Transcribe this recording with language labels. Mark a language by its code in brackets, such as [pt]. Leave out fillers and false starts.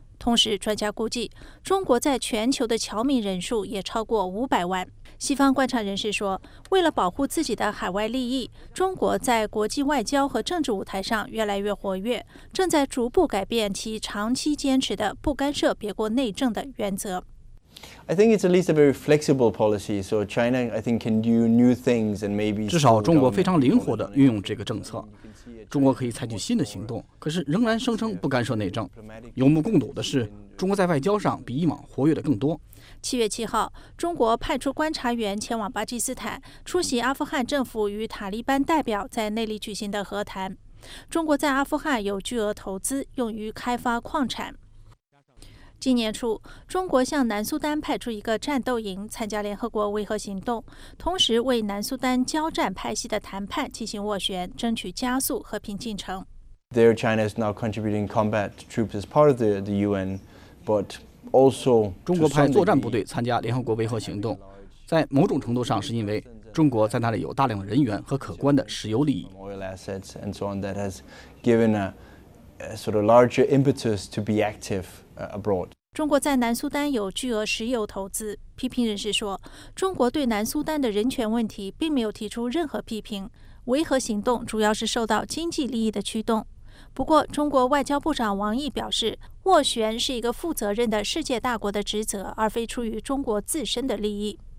[zh] 同时，专家估计，中国在全球的侨民人数也超过500万。西方观察人士说，为了保护自己的海外利益，中国在国际外交和政治舞台上越来越活跃，正在逐步改变其长期坚持的不干涉别国内政的原则。 [en] I think it's at least a very flexible policy. So China, I think, can do new things and maybe. [zh] 至少中国非常灵活地运用这个政策，中国可以采取新的行动，可是仍然声称不干涉内政。有目共睹的是，中国在外交上比以往活跃得更多。 7月7号，中国派出观察员前往巴基斯坦，出席阿富汗政府与塔利班代表在内里举行的和谈。中国在阿富汗有巨额投资，用于开发矿产。今年初，中国向南苏丹派出一个战斗营参加联合国维和行动，同时为南苏丹交战派系的谈判进行斡旋，争取加速和平进程。 [en] There, China is now contributing combat troops as part of the UN, but also [zh] 中国派作战部队参加联合国维和行动，在某种程度上是因为中国在那里有大量人员和可观的石油利益。 [en] Oil assets and so on that has given a sort of larger impetus to be active. [zh] 中国在南苏丹有巨额石油投资。批评人士说，中国对南苏丹的人权问题并没有提出任何批评，维和行动主要是受到经济利益的驱动。不过，中国外交部长王毅表示，斡旋是一个负责任的世界大国的职责，而非出于中国自身的利益。